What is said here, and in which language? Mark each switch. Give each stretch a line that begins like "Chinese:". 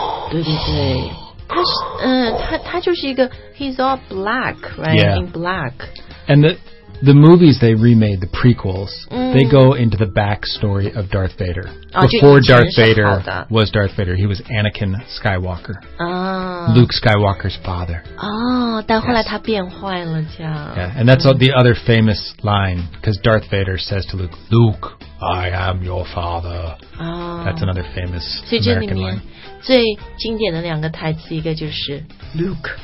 Chinese: 对对对他是、他就是一个
English: He's all black, right? Yeah In black And the movies they remade, the prequels、They go into the backstory of Darth Vader、Before Darth Vader was Darth Vader He was Anakin Skywalker、Luke Skywalker's father、
Chinese: 但后来他变坏了这样
English: yeah, And that's、the other famous line Because Darth Vader says to Luke Luke, I am your father、That's another famous American line
Chinese: 最经典的两个台词一个就是 Luke